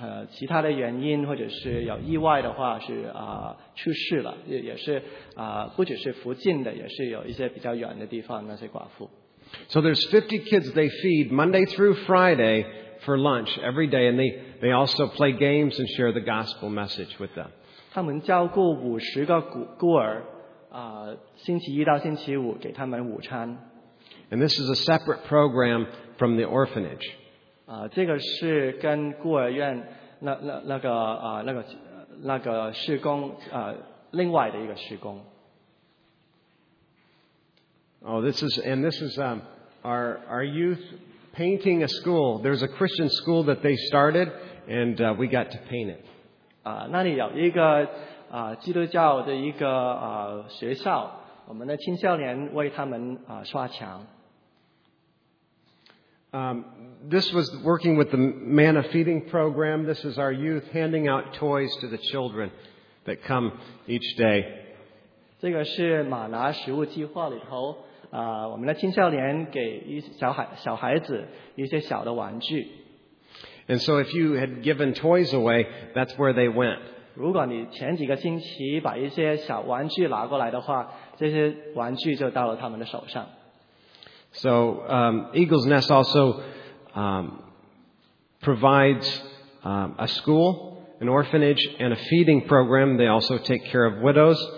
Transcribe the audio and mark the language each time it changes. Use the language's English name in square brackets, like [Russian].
[Chinese] 其他的原因或者是有意外的话是出事了，也是不只是附近的，也是有一些比较远的地方那些寡妇。 [English] So there's 50 kids they feed Monday through Friday for lunch every day, and they also play games and share the gospel message with them. [Chinese] 他们照顾50个孤儿，星期一到星期五给他们午餐。 [English] And this is a separate program from the orphanage. [Chinese] 这个是跟孤儿院那个事工另外的一个事工。 [English] Oh, this is our youth painting a school. There's a Christian school that they started, and we got to paint it. [Chinese] 那里有一个基督教的一个学校，我们的青少年为他们刷墙。 [English] This was working with the manna feeding program. This is our youth handing out toys to the children that come each day. [Chinese] 这个是马拿食物计划里头。我们的青少年给小孩子一些小的玩具。 [English] And so if you had given toys away, that's where they went. [Chinese] 如果你前几个星期把一些小玩具拿过来的话，这些玩具就到了他们的手上。 [English] So, Eagle's Nest also, provides, a school, an orphanage, and a feeding program. They also take care of widows.